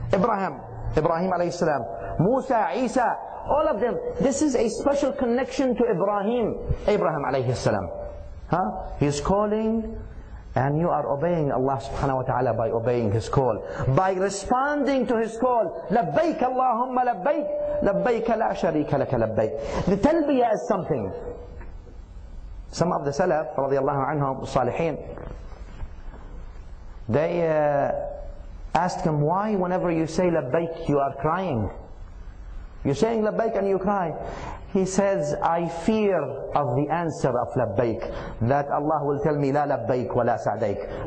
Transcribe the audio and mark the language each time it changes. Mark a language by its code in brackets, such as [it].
[en] Ibrahim alayhi salam, Musa, Isa, all of them. This is a special connection to Abraham alayhi salam. Huh? He's calling. And you are obeying Allah subhanahu wa ta'ala by obeying His call. By responding to His call. [ar] لبيك اللهم لبيك لبيك لا شريك لك لبيك. [en] The talbiyah is something. Some of the salaf, [ar] رضي الله عنهم, الصالحين, [en] they asked him, why whenever you say لبيك you are crying? You're saying لبيك and you cry. He says, I fear of the answer of labbaik, that Allah will tell me, la labbaik wa la sa'daik.